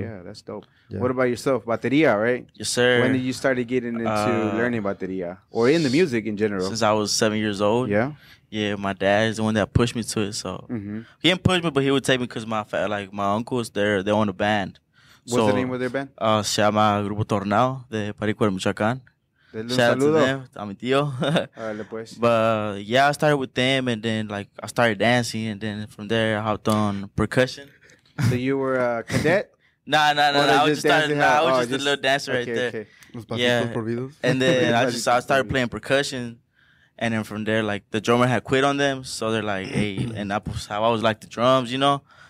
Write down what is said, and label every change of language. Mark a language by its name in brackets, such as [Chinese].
[English] Yeah, that's dope. Yeah. What about yourself? Batería, right? Yes, sir. When did you start getting into learning batería or in the music in general? Since I was 7 years old. Yeah. Yeah, my dad is the one that pushed me to it. So mm-hmm. he didn't push me, but he would take me because my uncle was there. They own a band. What's the name of their band? [Spanish] Se llama Grupo Tornado de Perico de Michoacán. [English] Shout out to them, [Spanish] a mi tío. [English] But yeah, I started with them, and then like I started dancing, and then from there I hopped on percussion. So you were a cadet? Nah. I was just a little dancer right there. Okay. Yeah, and then I started playing percussion, and then from there like the drummer had quit on them, so they're like, hey, and I was like the drums, you know.